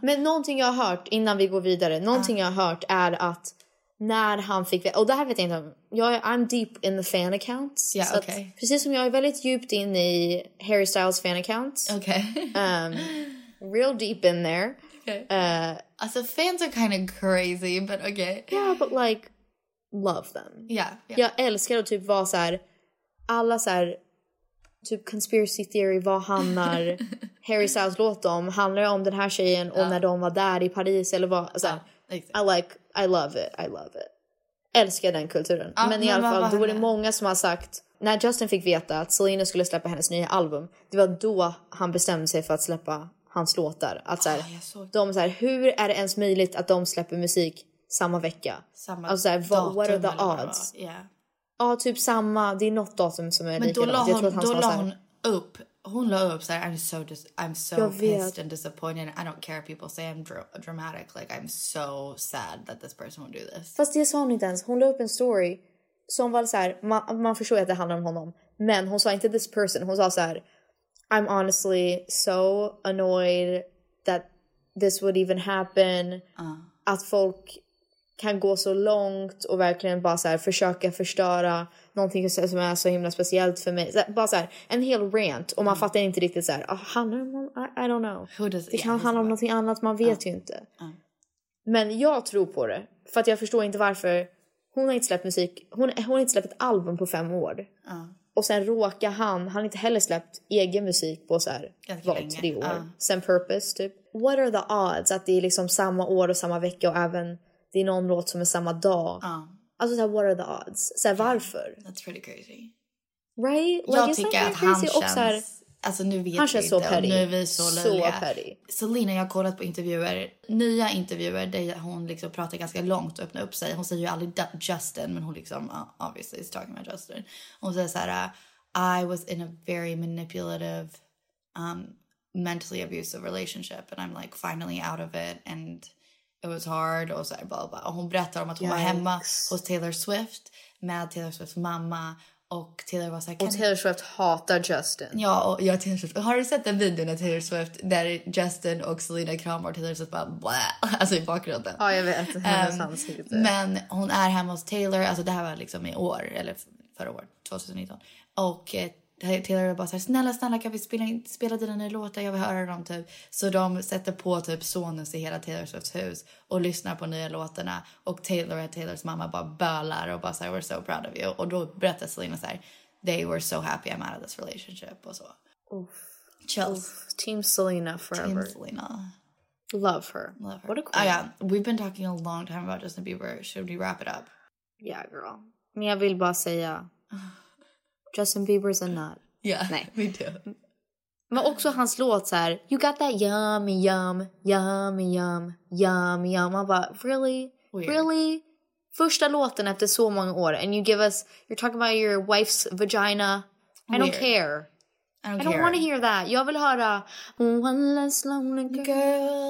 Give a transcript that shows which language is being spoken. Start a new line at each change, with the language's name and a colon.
Swedish: Men någonting jag har hört, innan vi går vidare, någonting jag har hört är att när han fick... Och det här vet jag inte om.
English: I'm deep in the fan accounts. Ja, yeah, okej. Okay.
Swedish: Precis som jag är väldigt djupt in i Harry Styles fan accounts. Okej.
English: Okay. Real deep in there. Okej. Okay.
Swedish: Alltså,
English: fans are kind of crazy, but okay. Yeah, but like, love them. Yeah, yeah.
Swedish: Jag älskar att typ vara så här, alla så här, typ conspiracy theory, vad handlar Harry Styles låt om? Handlar det om den här tjejen och när de var där i Paris eller vad? Så här,
English: exactly. I love it.
Swedish: Älskar den kulturen. Men i alla fall, då var det många som har sagt, när Justin fick veta att Selena skulle släppa hennes nya album, det var då han bestämde sig för att släppa hans låtar. Att så här, så här, hur är det ens möjligt att de släpper musik samma vecka? Samma alltså så här,
English: what are the odds? Ja, yeah.
Swedish: Typ samma, det är något datum som är likadant. Men hon la upp så här,
English: I'm so pissed and disappointed. I don't care if people say I'm dramatic. Like, I'm so sad that this person won't do this.
Swedish: Fast det sa hon inte ens. Hon la upp en story som var så här, man förstår att det handlar om honom. Men hon sa inte this person.
English: Hon sa så här, I'm honestly so annoyed that this would even happen.
Swedish: Att folk kan gå så långt och verkligen bara så här, försöka förstöra någonting som är så himla speciellt för mig. Så här, bara så här, en hel rant. Och man fattar inte riktigt så här,
English: oh, I don't know.
Swedish: Det kan handla om någonting annat, man vet ju inte. Men jag tror på det. För att jag förstår inte varför hon har inte släppt musik. Hon har inte släppt ett album på 5 år. Och sen råkar han har inte heller släppt egen musik på så här, vad, 3 år. Sen Purpose, typ.
English: What are the odds
Swedish: att det är liksom samma år och samma vecka och även det är någon låt som är samma dag. Alltså, så här,
English: what are the odds?
Swedish: Så här, varför?
English: That's pretty crazy. Right?
Swedish: Like, jag tycker att han crazy? Känns... Här, alltså, nu vet han känns vi inte. Nu är vi så löjliga. Så petty. Selena, jag har kollat på intervjuer. Nya intervjuer där hon liksom pratar ganska långt och öppnar upp sig. Hon säger ju aldrig Justin, men hon liksom
English: obviously is talking about Justin.
Swedish: Hon säger så här,
English: I was in a very manipulative, mentally abusive relationship. And I'm like finally out of it and... It was hard
Swedish: och så här, blah, blah. Och hon berättar om att hon var hemma hos Taylor Swift med Taylor Swifts mamma och Taylor var så här, och Taylor Swift hatar Justin. Ja, och jag Taylor Swift. Har du sett den videon av Taylor Swift där Justin och Selena kramar och Taylor Swift bara blah, alltså i bakgrunden. Ja, jag vet. Men hon är hemma hos Taylor, alltså det här var liksom i år eller förra år, 2019. Och Taylor bara såhär, snälla kan vi spela dina nya låtar, jag vill höra dem typ. Så de sätter på typ Sonus i hela Taylor Swifts hus och lyssnar på nya låtarna och Taylor och Taylors mamma bara bölar och bara såhär,
English: we're so proud of you.
Swedish: Och då berättar Selena såhär,
English: they were so happy I'm out of this relationship
Swedish: och så.
English: Chills. Team Selena forever. Team Selena. Love her. What a queen. We've been talking a long time about Justin Bieber, should we wrap it up? Yeah girl.
Swedish: Men jag vill bara säga
English: Justin Bieber's a nut. Yeah,
Swedish: nej.
English: Me too.
Swedish: Men också hans låt så här,
English: you got that yummy yum, yummy yum, yummy yum.
Swedish: Man bara,
English: really? Weird. Really?
Swedish: Första låten efter så många år.
English: And you give us, you're talking about your wife's vagina. Weird. I don't care. I don't want to hear that.
Swedish: Jag vill höra,
English: one less lonely girl.